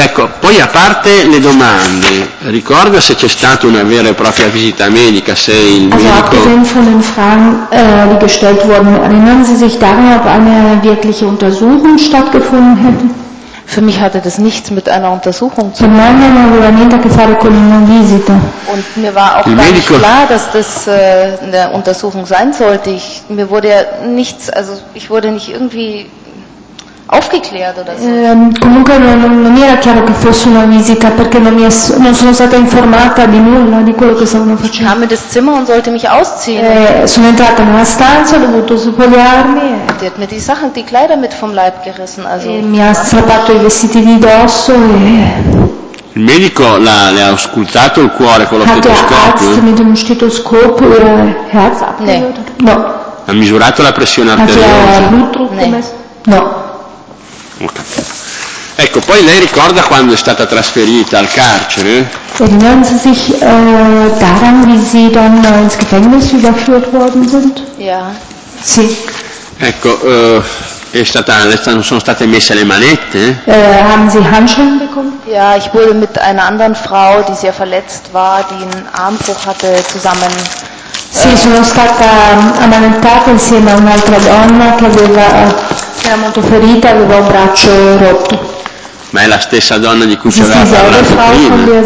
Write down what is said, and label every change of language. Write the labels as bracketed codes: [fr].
[it] Ecco, poi a parte le domande, ricorda se c'è stata una vera e propria visita medica, se il [de] also [it] medico. [de] Also abgesehen von den Fragen, die gestellt wurden, erinnern Sie sich daran, ob eine wirkliche Untersuchung stattgefunden hätte? Für mich hatte das nichts mit einer Untersuchung zu tun. [it] Per me non aveva niente a che fare con una visita. [de] Und mir war auch gar nicht klar, dass das eine Untersuchung sein sollte. Mir wurde ja nichts, also ich wurde nicht irgendwie aufgeklärt oder so. [it] Comunque non mi era chiaro che fosse una visita perché non sono stata informata di nulla di quello che stavano facendo. [de] Ich kam in das Zimmer und sollte mich ausziehen. [it] Sono entrata in una stanza, ho dovuto spogliarmi. [de] Die hat mir die Sachen, die Kleider mit vom Leib gerissen. Also. [it] Mi ha strappato i vestiti di dosso e. Il medico le ha auscultato il cuore con lo stetoscopio. [de] Hat der Arzt mit dem Stethoskop ihr Herz abgehört? [it] No. Ha misurato la pressione arteriosa? [de] Nee. No. [it] Ecco, poi lei ricorda quando è stata trasferita al carcere? [de] Erinnern Sie sich daran, wie Sie dann ins Gefängnis überführt worden sind? Ja. [it] Sì. Ecco, è stata, sono state messe le manette? [de] Haben Sie Handschellen bekommen? Ja, ich wurde mit einer anderen Frau, die sehr verletzt war, die einen Armbruch hatte, zusammen. [it] Sì, sono stata ammanettata insieme a un'altra donna che aveva, era molto ferita, aveva un braccio rotto. Ma è la stessa donna di cui ci aveva parlato prima?